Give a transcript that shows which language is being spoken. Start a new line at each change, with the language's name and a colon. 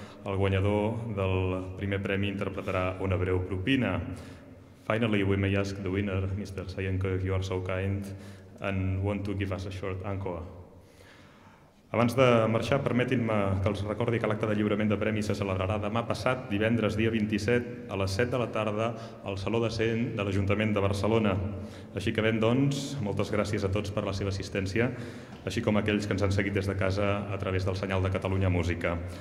Catalan: El guanyador del primer premi interpretarà una breu propina.
English: Finally, we may ask the winner, Mr. Sayenko, if you are so kind, and want to give us a short encore.
Catalan: Abans de marxar, permetin-me que els recordi que l'acte de lliurament de premis se celebrarà demà passat, divendres, dia 27, a les 7 de la tarda, al Saló de Cent de l'Ajuntament de Barcelona. Així que ben, doncs, moltes gràcies a tots per la seva assistència, així com a aquells que ens han seguit des de casa a través del senyal de Catalunya Música.